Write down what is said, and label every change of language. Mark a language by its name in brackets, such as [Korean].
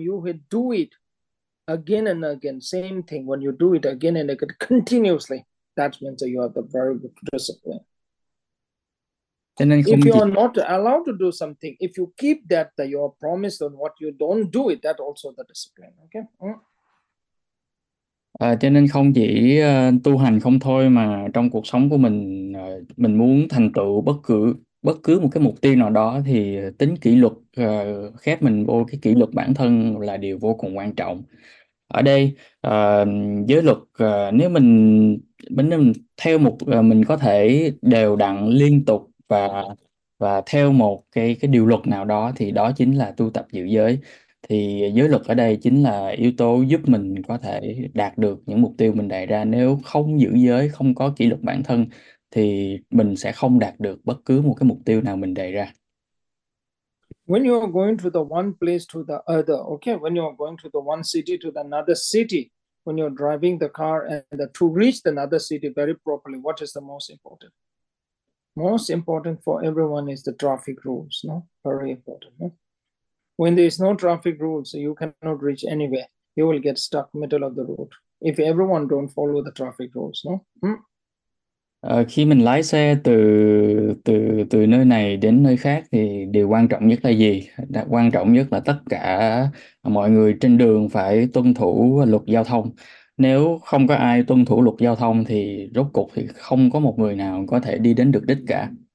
[English] You will do it again and again. Same thing. When you do it again and again continuously, that means that you have the very good discipline. [Vietnamese] cho nên [English] If [Vietnamese] không [English] you [Vietnamese] gì [English] are not allowed to do something, if you keep that you are promised on what you don't do it, that also the discipline. Okay. [Vietnamese] Cho nên không chỉ tu hành không thôi mà trong cuộc sống của mình muốn thành tựu bất cứ một cái mục tiêu nào đó thì tính kỷ luật, khép mình vô cái kỷ luật bản thân là điều vô cùng quan trọng. Ở đây giới luật, nếu mình theo một mình có thể đều đặn liên tục và theo một cái điều luật nào đó thì đó chính là tu tập giữ giới. Thì giới luật ở đây chính là yếu tố giúp mình có thể đạt được những mục tiêu mình đề ra. Nếu không giữ giới, không có kỷ luật bản thân thì mình sẽ không đạt được bất cứ một cái mục tiêu nào mình đề ra. [English] When you are going to the one place to the other, okay, when you are going to the one city to the another city, when you're driving the car to reach another city very properly, what is the most important? Most important for everyone is the traffic rules, no? Very important, no? When there is no traffic rules, you cannot reach anywhere. You will get stuck middle of the road if everyone don't follow the traffic rules, no? [Vietnamese] Khi mình lái xe từ từ từ nơi này đến nơi khác thì điều quan trọng nhất là gì? Quan trọng nhất là tất cả mọi người trên đường phải tuân thủ luật giao thông. Nếu không có ai tuân thủ luật giao thông thì rốt cục thì không có một người nào có thể đi đến được đích cả.